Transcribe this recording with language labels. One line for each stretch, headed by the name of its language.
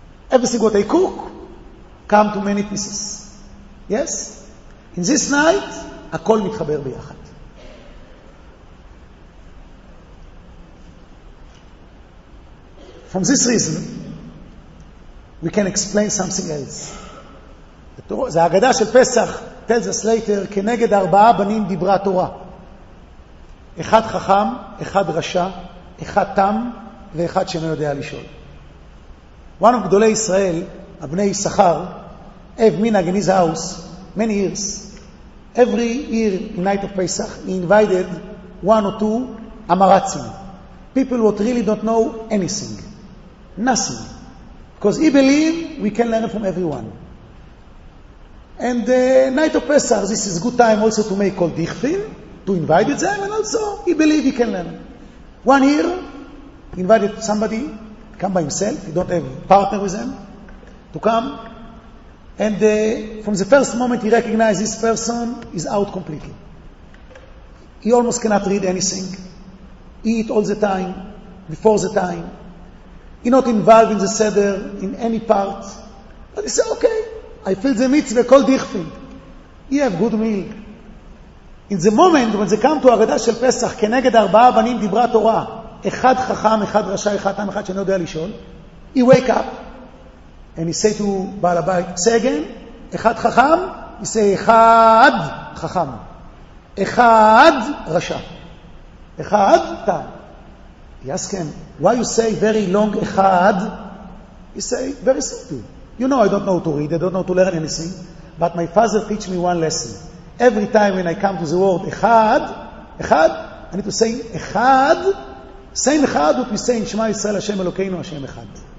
English: Everything what I cook, come to many pieces. Yes? In this night,
Hebrew: Hakol mitchaber biyachad.
English: From this reason, we can explain something else. The Haggadah Shel Pesach tells us later,
Hebrew: כנגד 4 בנים דיברה תורה. אחד חכם, אחד רשע, אחד תם, ואחד שאינו יודע לשאול.
English: One of גדולי ישראל, הבני ישכר, have been in his house many years. Every year in night of Pesach, he invited one or two amaratzim. People who really don't know anything. Nothing. Because he believed we can learn from everyone. And night of Pesach, this is a good time also to make all dichtin, to invite them, and also he believed he can learn. One year, he invited somebody to come by himself, he don't have a partner with him, to come. And from the first moment he recognized this person is out completely. He almost cannot read anything. He eat all the time, before the time. He not involved in the seder, in any part. But he said, okay, I feel the mitzvah called dichtin. He have good meal. In the moment when they come to Agada Shel Pesach,
Hebrew: כנגד ארבעה בנים דיברה תורה, אחד חכם, אחד רשע, אחד תם, אחד שאני יודע לשאול,
English: he wake up, and he say to בעל הבית, say again,
Hebrew: אחד חכם,
English: he say,
Hebrew: אחד חכם, אחד רשע, אחד תם.
English: He ask him, why you say very long אחד? He say, very simple. You know I don't know to read, I don't know to learn anything, but my father teach me one lesson. Every time when I come to the word אחד, אחד, I need to say אחד, same אחד, what we say in Shema Yisrael,
Hebrew: Hashem Elokeinu, Hashem אחד.